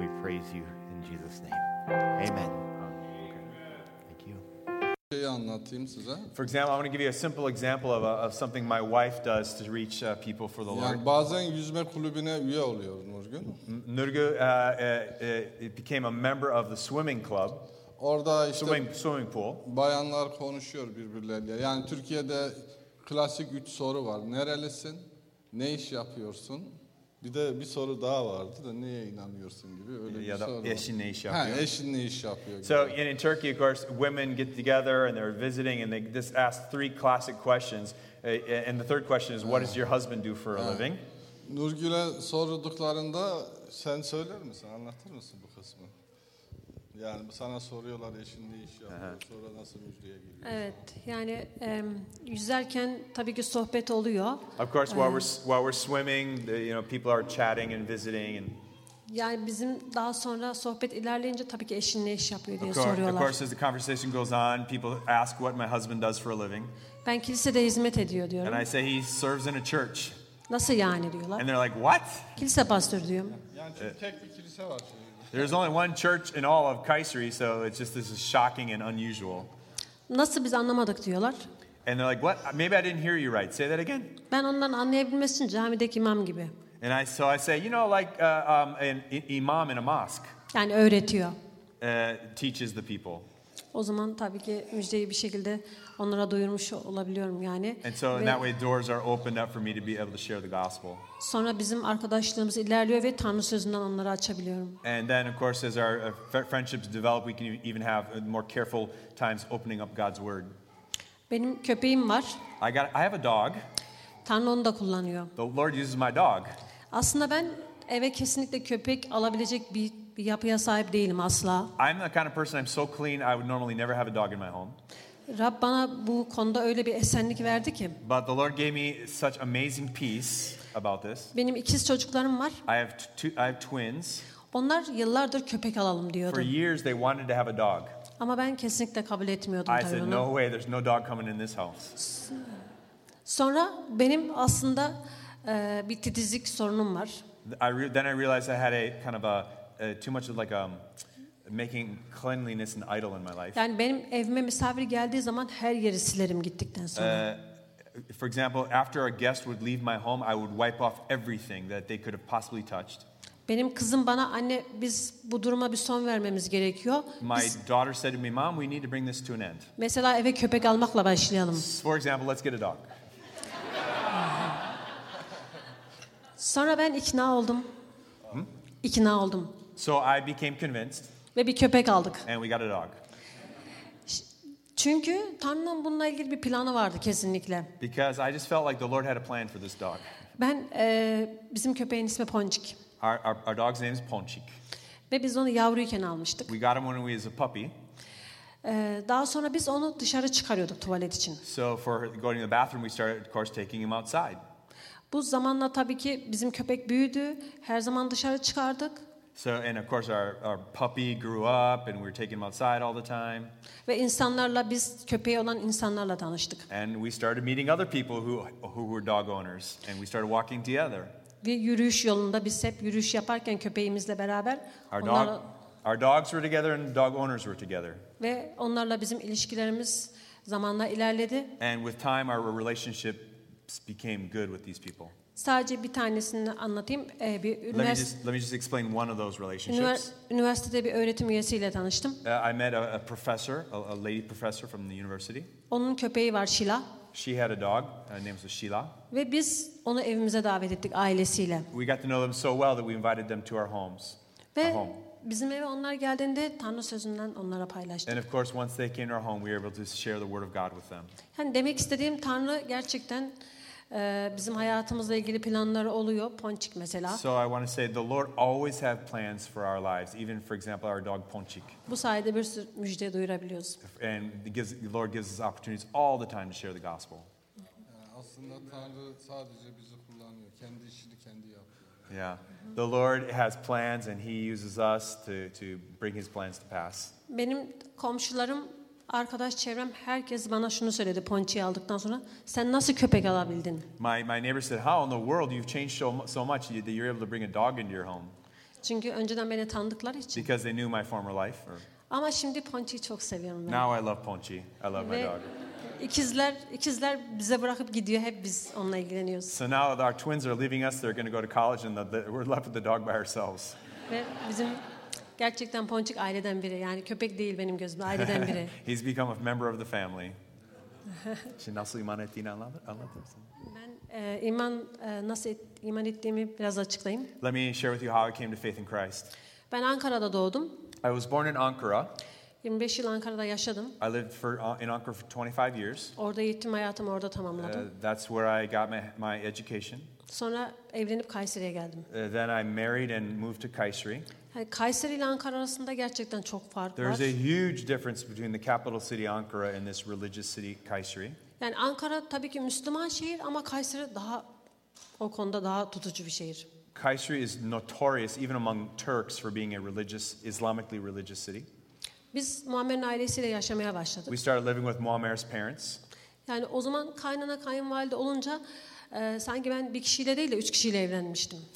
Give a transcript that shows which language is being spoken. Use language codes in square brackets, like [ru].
[en] We praise you in Jesus' name. Amen. Thank you. For example, I want to give you a simple example of something my wife does to reach people for the Lord. [tr] Bazen yüzme kulübüne üye oluyor Nurgul. [en] Nurgul became a member of the swimming club. [tr] Orada işte [en] swimming pool. [tr] Bayanlar konuşuyor birbirleriyle. Yani Türkiye'de klasik üç soru var. Nerelisin? Ne iş yapıyorsun? Bir de bir soru daha vardı da neye inanıyorsun gibi öyle ya bir soru. Ya da eşin ne iş yapıyor? Ha, eşin ne iş yapıyor? [en] So in Turkey, of course, women get together and they're visiting and they just ask three classic questions. And the third question is, what does your husband do for a living? [tr] Nurgül'e sorduklarında sen söyler misin, anlatır mısın bu kısmı? Yani sana soruyorlar eşin ne iş yapıyor, sonra nasıl müjdeye geliyor? Evet, yani yüzerken tabii ki sohbet oluyor. [en] Of course, while we're swimming, you know, people are chatting and visiting. And [tr] yani bizim daha sonra sohbet ilerleyince tabii ki eşin ne iş yapıyor diye soruyorlar. [en] Of course, as the conversation goes on, people ask what my husband does for a living. [tr] Ben kilisede hizmet ediyor diyorum. [en] And I say he serves in a church. [tr] Nasıl yani diyorlar. [en] And they're like, what? [tr] Kilise pastörü diyorum. Yani tek bir kilise var şimdi. [en] There's only one church in all of Kayseri, so it's just this is shocking and unusual. [tr] Nasıl biz anlamadık diyorlar. [en] And they're like, what? Maybe I didn't hear you right. Say that again. [tr] Ben onların anlayabilmesi için camideki imam gibi. [en] And I say, you know, like an imam in a mosque. [tr] Yani öğretiyor. [en] Teaches the people. [tr] O zaman tabii ki müjdeyi bir şekilde onlara duyurmuş olabiliyorum yani. [en] And so in that way doors are opened up for me to be able to share the gospel. [tr] Sonra bizim arkadaşlığımız ilerliyor ve Tanrı sözünden onları açabiliyorum. [en] And then of course as our friendships develop we can even have more careful times opening up God's word. [tr] Benim köpeğim var. [en] I have a dog. [tr] Tanrı onu da kullanıyor. [en] The Lord uses my dog. [tr] Aslında ben eve kesinlikle köpek alabilecek bir yapıya sahip değilim asla. [en] I'm the kind of person I'm so clean I would normally never have a dog in my home. [tr] Rab bana bu konuda öyle bir esenlik verdi ki. [en] But the Lord gave me such amazing peace about this. [tr] Benim ikiz çocuklarım var. [en] I have twins. [tr] Onlar yıllardır köpek alalım diyordu. [en] For years they wanted to have a dog. [tr] Ama ben kesinlikle kabul etmiyordum tabii onu. [en] I said no way there's no dog coming in this house. [tr] Sonra benim aslında bir titizlik sorunum var. [en] Then I realized I had a kind of a too much of like making cleanliness an idol in my life. [tr] Yani benim evime misafir geldiği zaman her yeri silerim gittikten sonra. [en] For example, after a guest would leave my home, I would wipe off everything that they could have possibly touched. [tr] Benim kızım bana anne biz bu duruma bir son vermemiz gerekiyor. [en] My daughter said to me, "Mom, we need to bring this to an end." [tr] Mesela eve köpek almakla başlayalım. [en] For example, let's get a dog. [tr] Sonra ben ikna oldum. İkna oldum. [en] So I became convinced. [tr] Ve bir köpek aldık. [en] And we got a dog. [tr] Çünkü Tanrı'nın bununla ilgili bir planı vardı kesinlikle. [en] Because I just felt like the Lord had a plan for this dog. [tr] Ben bizim köpeğin ismi Ponçik. [en] Our dog's name is Ponçik. [tr] Ve biz onu yavruyken almıştık. [en] We got him when he was a puppy. [tr] Daha sonra biz onu dışarı çıkarıyorduk tuvalet için. [en] So for going to the bathroom we started of course taking him outside. [tr] Bu zamanla tabii ki bizim köpek büyüdü. Her zaman dışarı çıkardık. [en] So and of course our puppy grew up and we were taking him outside all the time. [tr] Ve insanlarla biz köpeği olan insanlarla tanıştık. [en] And we started meeting other people who were dog owners and we started walking together. [tr] Ve yürüyüş yolunda biz hep yürüyüş yaparken köpeğimizle beraber [en] our dogs were together and dog owners were together. [tr] Ve onlarla bizim ilişkilerimiz zamanla ilerledi. [en] And with time our relationship became good with these people. [tr] Sadece bir tanesini anlatayım. [en] Let me just explain one of those relationships. [tr] Üniversitede bir öğretim üyesiyle tanıştım. [en] I met a professor, a lady professor from the university. [tr] Onun köpeği var Sheila. [en] She had a dog, her name was Sheila. [tr] Ve biz onu evimize davet ettik ailesiyle. [en] We got to know them so well that we invited them to our homes. [tr] Ve bizim eve onlar geldiğinde Tanrı sözünden onlara paylaştık. [en] And of course once they came to our home we were able to share the word of God with them. [tr] Yani demek istediğim Tanrı gerçekten bizim hayatımızla ilgili planları oluyor. Ponçik mesela. [en] So I want to say the Lord always has plans for our lives, even for example our dog Ponçik. [tr] Bu sayede bir sürü müjde duyurabiliyoruz. [en] And the Lord gives us opportunities all the time to share the gospel. [tr] Aslında Tanrı sadece bizi kullanıyor. Kendi işini kendi yapıyor. [en] Yeah. The Lord has plans and he uses us to bring his plans to pass. [tr] Benim komşularım, arkadaş çevrem herkes bana şunu söyledi Ponçik'i aldıktan sonra. Sen nasıl köpek alabildin? [en] My neighbor said, "How in the world you've changed so much that you're able to bring a dog into your home?" [tr] Çünkü önceden beni tanıdıkları için. [en] Because they knew my former life. [tr] Ama şimdi Ponçik'i çok seviyorum ben. [en] Now I love Ponçik. I love [tr] ve [en] my dog. [tr] İkizler bize bırakıp gidiyor. Hep biz onunla ilgileniyoruz. [en] So now our twins are leaving us. They're going to go to college and we're left with the dog by ourselves. [tr] Ve bizim gerçekten Ponçik aileden biri. Yani köpek değil benim gözümde, aileden biri. [en] He's become a member of the family. [tr] Şimdi nasıl iman ettiğini anlatır mısın? Ben iman nasıl iman ettiğimi biraz açıklayayım. [en] Let me share with you how I came to faith in Christ. [tr] Ben Ankara'da doğdum. [en] I was born in Ankara. [tr] 25 yıl Ankara'da yaşadım. [en] I lived in Ankara for 25 years. [tr] Orada eğitim hayatımı orada tamamladım. [en] That's where I got my education. [tr] Sonra evlenip Kayseri'ye geldim. [en] Then I married and moved to Kayseri. [tr] Kayseri ile Ankara arasında gerçekten çok fark var. [en] There's a huge difference between the capital city Ankara and this religious city Kayseri. [tr] Yani Ankara tabii ki Müslüman şehir ama Kayseri daha o konuda daha tutucu bir şehir. [en] Kayseri is notorious even among Turks for being a religious, Islamically religious city. [tr] Biz Muammer'in ailesiyle yaşamaya başladık. [en] We started living with Muammer's parents. [tr] Yani o zaman kaynana kayınvalide olunca sanki ben bir kişiyle değil de üç kişiyle evlenmiştim.